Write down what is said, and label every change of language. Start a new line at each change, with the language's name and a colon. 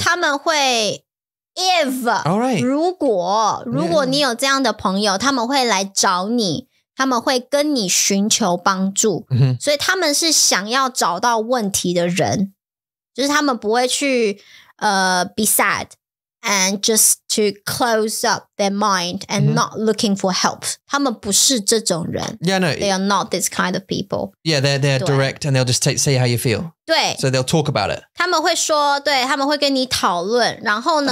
Chinese: 他们会,
English: if, all right.
Chinese: 如果你有这样的朋友, 他们会来找你, 他们会跟你寻求帮助, mm-hmm. 所以他们是想要找到问题的人, 就是他们不会去,
English: be sad. And just to close up their mind and mm-hmm. not looking for help.
Chinese: 他们不是这种人.
English: Yeah, no. They are not this kind of people. Yeah, they're direct and they'll just say how you feel.
Chinese: 对.
English: So they'll talk about it.
Chinese: 他们会说, 对, 他们会跟你讨论, 然后呢,